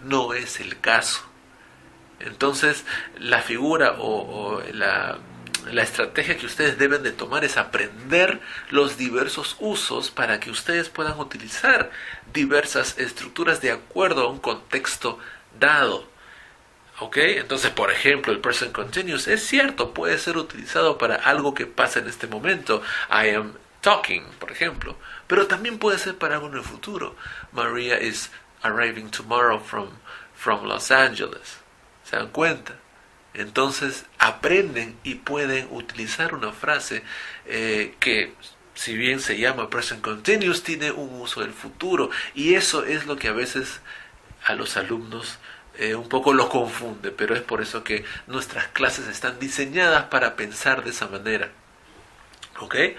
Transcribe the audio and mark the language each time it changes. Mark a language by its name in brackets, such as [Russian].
[Spanish] No es el caso. Entonces, la figura o la estrategia que ustedes deben de tomar es aprender los diversos usos para que ustedes puedan utilizar diversas estructuras de acuerdo a un contexto dado. ¿Ok? Entonces, por ejemplo, el present continuous es cierto, puede ser utilizado para algo que pasa en este momento. [English] I am talking, [Spanish] por ejemplo. Pero también puede ser para algo en el futuro. [English] Maria is arriving tomorrow from Los Angeles. [Spanish] ¿Se dan cuenta? Entonces, aprenden y pueden utilizar una frase que, si bien se llama present continuous, tiene un uso del futuro. Y eso es lo que a veces a los alumnos un poco lo confunde, pero es por eso que nuestras clases están diseñadas para pensar de esa manera. ¿Ok?